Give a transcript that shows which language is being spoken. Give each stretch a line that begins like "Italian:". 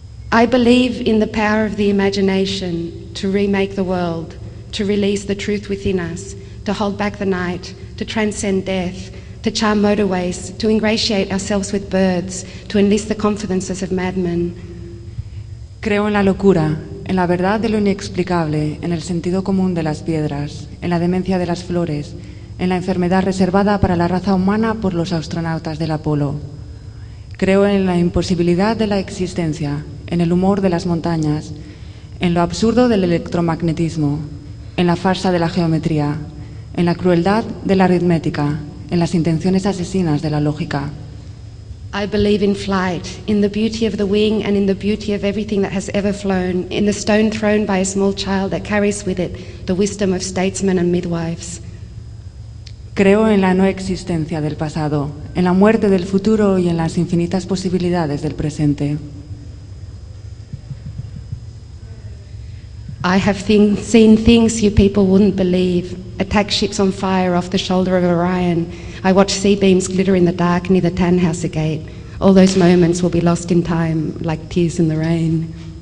English: I believe in the power of the imagination to remake the world, to release the truth within us, to hold back the night, to transcend death, to charm motorways, to ingratiate ourselves with birds, to enlist the confidences of madmen.
Spanish: Creo en la locura, en la verdad de lo inexplicable, en el sentido común de las piedras, en la demencia de las flores, en la enfermedad reservada para la raza humana por los astronautas del Apolo. Creo en la imposibilidad de la existencia, en el humor de las montañas, en lo absurdo del electromagnetismo, en la farsa de la geometría, en la crueldad de la aritmética, en las intenciones asesinas de la lógica.
English: I believe in flight, in the beauty of the wing and in the beauty of everything that has ever flown, in the stone thrown by a small child that carries with it the wisdom of statesmen and midwives.
Spanish: Creo en la no existencia del pasado, en la muerte del futuro y en las infinitas posibilidades del presente.
English: I have seen things you people wouldn't believe. Attack ships on fire off the shoulder of Orion. I watch sea beams glitter in the dark near the Tannhauser Gate. All those moments will be lost in time, like tears in the rain.